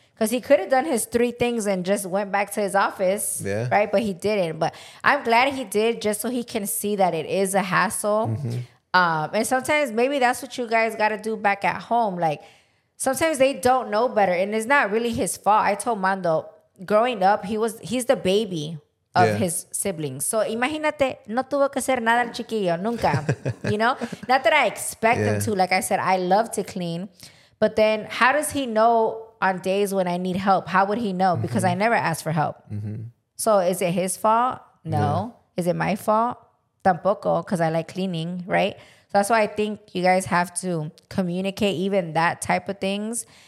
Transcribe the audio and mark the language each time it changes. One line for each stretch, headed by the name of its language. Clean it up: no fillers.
English: Because he could have done his three things and just went back to his office, right? But he didn't. But I'm glad he did, just so he can see that it is a hassle. And sometimes maybe that's what you guys got to do back at home. Like, sometimes they don't know better, and it's not really his fault. I told Mando, growing up, he's the baby of his siblings.
Spanish: So imagínate, no tuvo que hacer nada el chiquillo, nunca.
English: You know? Not that I expect him to. Like I said, I love to clean. But then how does he know on days when I need help? How would he know? Because I never ask for help. So is it his fault? No. Yeah. Is it my fault?
Spanish: Tampoco,
English: because I like cleaning, right? So that's why I think you guys have to communicate even that type of things.